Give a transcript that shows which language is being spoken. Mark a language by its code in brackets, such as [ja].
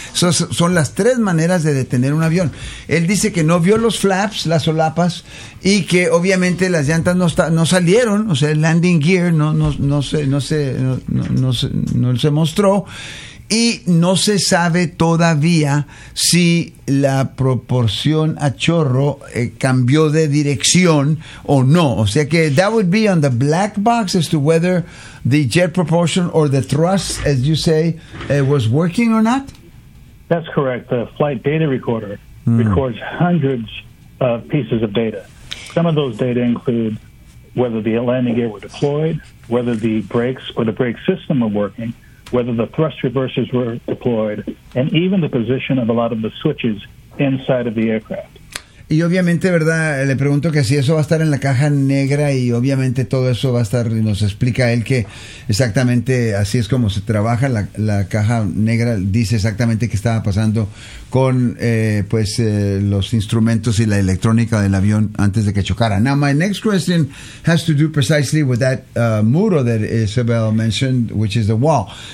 [es] Son las tres maneras de detener un avión. Él dice que no vio los flaps, las solapas, y que obviamente las llantas no salieron, o sea, el landing gear no se mostró, y no se sabe todavía si la proporción a chorro cambió de dirección o no. O sea que [en] that would be on the black box as to whether the jet propulsion or the thrust, as you say, was working or not. That's correct. The flight data recorder records hundreds of pieces of data. Some of those data include whether the landing gear were deployed, whether the brakes or the brake system were working, whether the thrust reversers were deployed, and even the position of a lot of the switches inside of the aircraft. [es] Y obviamente, ¿verdad? Le pregunto que si eso va a estar en la caja negra y obviamente todo eso va a estar, nos explica él que exactamente así es como se trabaja, la caja negra dice exactamente qué estaba pasando con los instrumentos y la electrónica del avión antes de que chocara. [en] Now, my next question has to do precisely with that muro that Isabel mentioned, which is the wall.